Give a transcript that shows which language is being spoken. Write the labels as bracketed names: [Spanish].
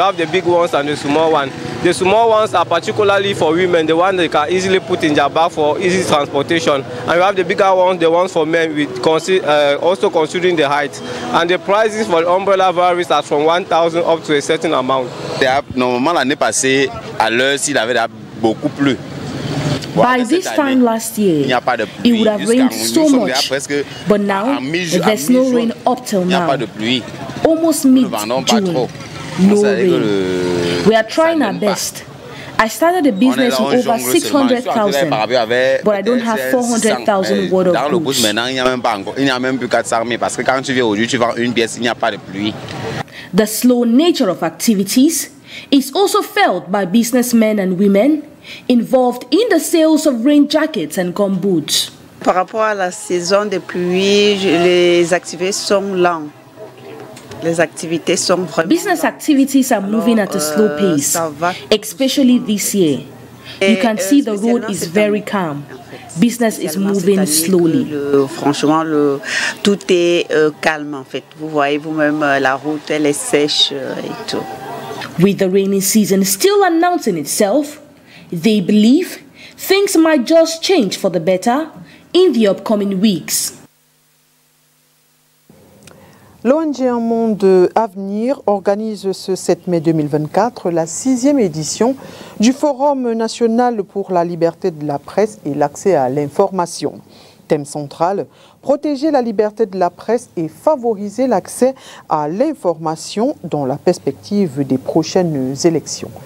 [English] We have the big ones and the small one. The small ones are particularly for women, the ones they can easily put in their bag for easy transportation. And we have the bigger ones, the ones for men, with also considering the height. And the prices for the umbrella varies as from 1,000 up to a certain amount. [French] Normally, l'année passée, à l'heure, s'il avait beaucoup plu. [English] By this time last year, it would have rained so much, but now there's no rain up till now. Almost mid-June, no rain. We are trying our best. I started a business with over 600,000, but I don't have 400,000 word of goods. The slow nature of activities is also felt by businessmen and women involved in the sales of rain jackets and gum boots. [French] Par rapport à la saison de pluie, les activités sont lentes. Les activités sont vraiment [English] business activities are moving at a slow pace, especially this year. You can see the road is very calm. Business is moving slowly. [French] Franchement, tout est calme en fait. Vous voyez vous-même la route, elle est sèche et tout. [English] With the rainy season still announcing itself, they believe things might just change for the better in the upcoming weeks. [French] L'ONG Un Monde Avenir organise ce 7 mai 2024 la 6e édition du Forum national pour la liberté de la presse et l'accès à l'information. Thème central, protéger la liberté de la presse et favoriser l'accès à l'information dans la perspective des prochaines élections.